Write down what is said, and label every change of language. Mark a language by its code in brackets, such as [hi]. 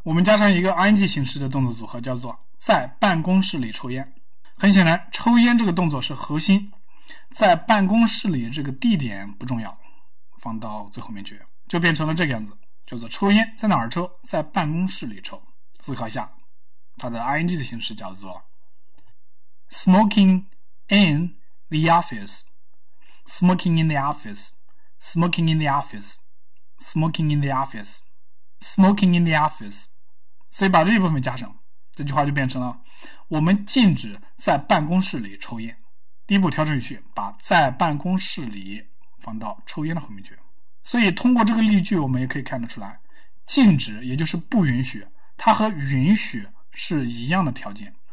[zh] 我们加上一个 ing 形式的动作组合，叫做在办公室里抽烟。很显然抽烟这个动作是核心，在办公室里这个地点不重要，放到最后面去，就变成了这个样子，叫做抽烟在哪儿抽，在办公室里抽。思考一下，它的 ing 的形式叫做 [en] smoking in the office, smoking in the office, smoking in the office, smoking in the office, smoking in the office. [zh] 所以把这一部分加上，这句话就变成了我们禁止在办公室里抽烟。第一步调整语序，把在办公室里放到抽烟的后面去。所以通过这个例句我们也可以看得出来，禁止也就是不允许，它和允许是一样的条件。